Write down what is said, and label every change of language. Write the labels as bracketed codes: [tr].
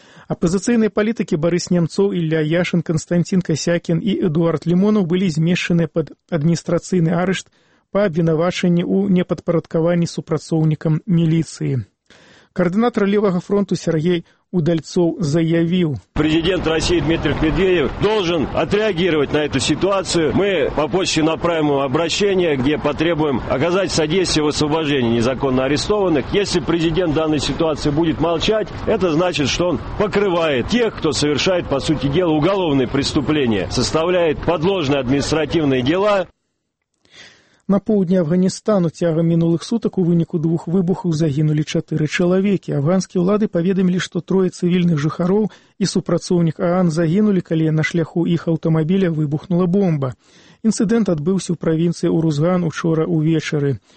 [be] Апазіцыйныя палітыкі Барыс Немцоў, Ілля Яшын, Канстантін Касякін і Эдуард Лімонаў былі змешчаны пад адміністрацыйны арышт па абвінавачанні ў непадпарадкаванні супрацоўнікам міліцыі. Каардынатар левага фронту Сергей Удальцоў заявіў. [ru] Президент России Дмитрий Медведев должен отреагировать на эту ситуацию. Мы по почте направим обращение, где потребуем оказать содействие в освобождении незаконно арестованных. Если президент данной ситуации будет молчать, это значит, что он покрывает тех, кто совершает, по сути дела, уголовные преступления, составляет подложные административные дела. [be] На поўдні Афганістану цягам мінулых сутак у выніку двух выбухаў загінулі 4 чалавекі. Афганскія ўлады паведамілі, што трое цывільных жыхароў і супрацоўнік ААН загінулі, калі на шляху іх аўтамабіля выбухнула бомба. Інцыдэнт адбыўся ў правінцыі Урузган учора ўвечары.